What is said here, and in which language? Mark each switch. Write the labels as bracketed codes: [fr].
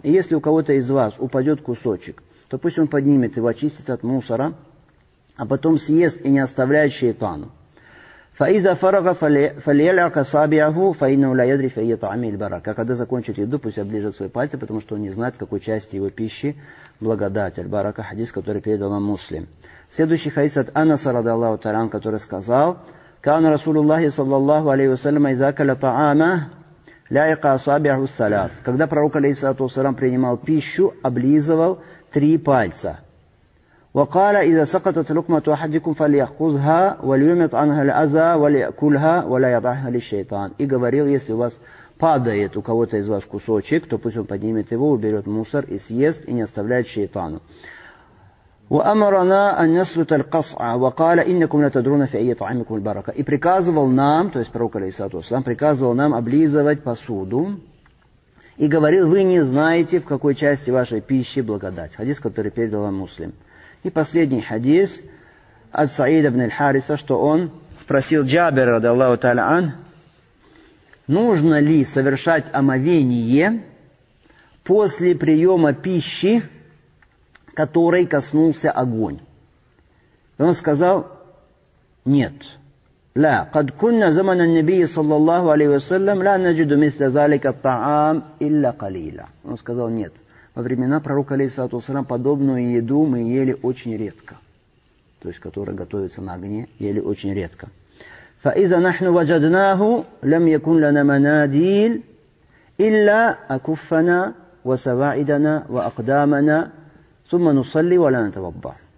[ru] И если у кого-то из вас упадет кусочек, то пусть он поднимет его, очистит от мусора, а потом съест и не оставляет шайтану. [ar] فَإِذَا فَرَغَ فَلْيَلْعَقَ صَابِعَهُ فَإِنَّهُ لَا يَدْرِي فِي أَيِّ طَعَامٍ الْبَرَكَةُ. [ru] Когда закончит еду, пусть оближет свои пальцы, потому что он не знает, в какой части его пищи благодать. Аль-барака, хадис, который передал вам Муслим. Следующий хадис от Анаса, радиаллаху та'аля анху, который сказал: [ar] كَانَ رَسُولُ اللَّهِ صَلَّى اللَّهُ عَلَيْهِ وَسَلَّمَ إِذَا أَكَلَ طَعَامًا لَعِقَ أَصَابِعَهُ الثَّلَاثَ. [ru] Когда пророк, алейхиссалату вассалям, принимал пищу, облизывал три пальца. [ar] وقال إذا سقطت لقمة أحدكم فليأخذها وليمت عنها الأذى وليأكلها ولا يضعها للشيطان. [ru] И говорил, если у вас падает у кого-то из вас кусочек, то пусть он поднимет его, уберет мусор и съест, и не оставляет шайтану. [ar] وأمرنا أن نسلت القصع وقال إنكم لا تدرون في أي طعامكم البركة. [ru] И приказывал нам, то есть пророк, алейхиссалату вассалям, приказывал нам облизывать посуду. И говорил, вы не знаете, в какой части вашей пищи благодать. Хадис, который передал вам Муслим. И последний хадис от Саида ибн аль-Хариса, что он спросил Джабира, радиаллаху та'аля анху, нужно ли совершать омовение после приема пищи, которой коснулся огонь. И он сказал: нет. [ar] لا، قد كنا زمن النبي صلى الله عليه وسلم لا نجد مثل ذلك الطعام إلا قليلا. [ru] Он сказал, нет, во времена пророка, алейхиссалату вассалям, подобную еду мы ели очень редко. То есть, которая готовится на огне, ели очень редко. [ar] فَإِذَا نَحْنُ وَجَدْنَاهُ لَمْ يَكُنْ لَنَا مَنَادِيلَ إِلَّا أَكُفَّنَا وَسَوَاعِدَنَا وَأَقْدَامَنَا ثُمَّ نُصَلِّ وَلَا نَتَوَضَّعُ.